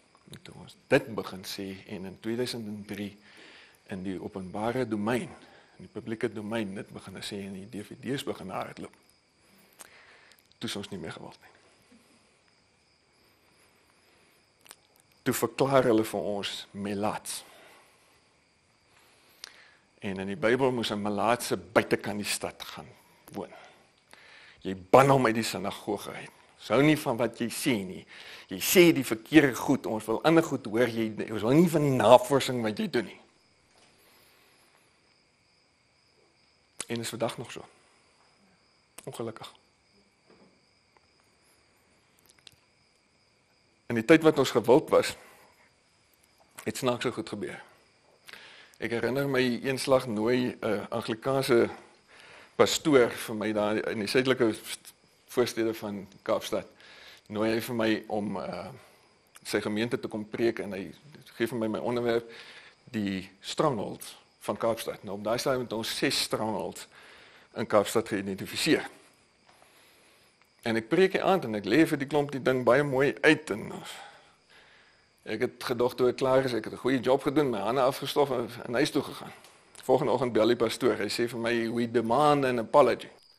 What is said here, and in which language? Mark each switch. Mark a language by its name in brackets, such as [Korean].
[Afrikaans] En toe ons dit begin sê en in 2003 in die openbare domein, in die publieke domein, dit begin sê en die DVD's begin hardloop, toe is ons nie meer gewild nie. Toe verklaar hulle vir ons melaats. En in die Bybel moes een melaatse buitenkant die stad gaan woon. Jy ban hom uit die sinagoge uit. Sou nie van wat jy sê nie. Jy sê die verkeerde goed, ons wil ander goed hoor, jy, ons wil nie van die navorsing wat jy doen nie. En is vandag nog so. Ongelukkig. In die tyd wat ons gewild was, het snaakse goed gebeur. Ek herinner my eenslag nooi Anglikaanse pastoor vir my daar in die suidelike voorstede van Kaapstad, nooi hy vir my om sy gemeente te kom preek en hy geef vir my my onderwerp, die stronghold van Kaapstad. Nou op daai stadium het ons 6 stronghold in Kaapstad geïdentificeer. En ek preek die aand en ek lever die klomp die ding baie mooi uit en ek het gedog toe ek klaar is, ek het 'n goeie job gedoen, my hande afgestof en huis toe gegaan. Volgende oggend bel die pastoor, hy sê vir my, [English] we demand an apology.